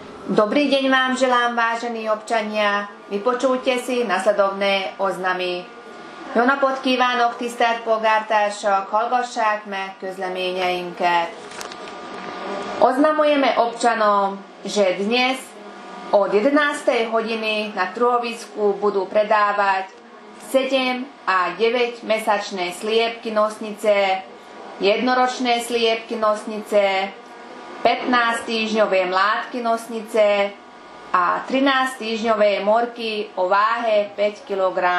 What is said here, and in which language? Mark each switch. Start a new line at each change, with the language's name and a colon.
Slovak: Dobrý deň vám želám, vážení občania. Vypočujte si nasledovné oznamy.
Hungarian: Jóna kívánok, tisztelt polgártársak, hallgassák meg közleményeinket.
Slovak: Oznamujeme občanom, že dnes od 11. hodiny na Truhovisku budú predávať 7 a 9 mesačné sliepky nosnice, jednoročné sliepky nosnice, 15-týždňové mládky nosnice a 13-týždňové morky o váhe 5 kg.